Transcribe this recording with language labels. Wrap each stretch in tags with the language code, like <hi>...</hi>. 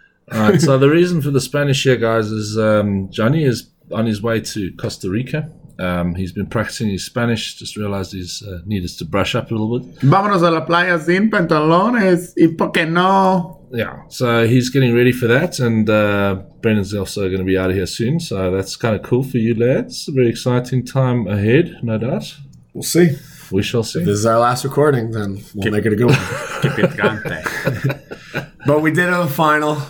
<en>All right, so the reason for the Spanish here, guys, is Johnny is on his way to Costa Rica. He's been practicing his Spanish, just realized he's needed to brush up a little bit.</en> <es>Vámonos a la playa sin pantalones, y por qué no?</es> <en>Yeah, so he's getting ready for that, and Brendan's also going to be out of here soon, so that's kind of cool for you lads. A very exciting time ahead, no doubt. We'll see. We shall see. If this is our last recording, then we'll make it a good one. But we did have a final.</en>